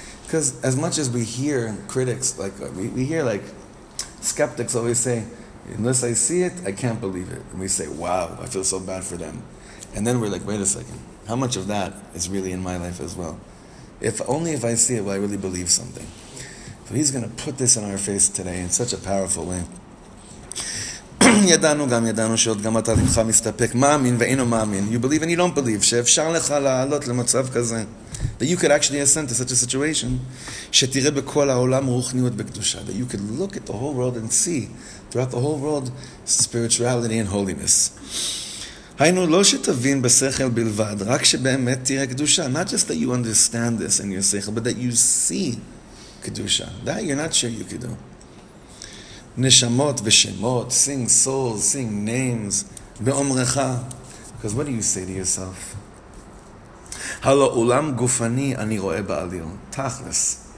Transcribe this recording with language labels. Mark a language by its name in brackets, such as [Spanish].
[English] Because as much as we hear critics, we hear skeptics always say, unless I see it, I can't believe it. And we say, wow, I feel so bad for them. And then we're like, wait a second, how much of that is really in my life as well? Only if I see it, will I really believe something? So he's going to put this in our face today in such a powerful way. [Hebrew] ידענו גם ידענו שעוד גם אתה לבך מסתפק מאמין ואינו מאמין. [English] You believe and you don't believe. [Hebrew] שאפשר לך לעלות למצב כזה. [English] That you could actually ascend to such a situation. [Hebrew] שתראה בכל העולם רוחניות בקדושה. [English] That you could look at the whole world and see throughout the whole world spirituality and holiness. [Hebrew] היינו לא שתבין בשכל בלבד, רק שבאמת תראה קדושה. [English] Not just that you understand this in your שכל, but that you see קדושה. That you're not sure you could do. [Hebrew] Neshamot v'shemot, [English] seeing souls, seeing names, be'omrecha. Because what do you say to yourself? [Hebrew] Halo ulam gufani ani ro'e ba'alil. Tachlis.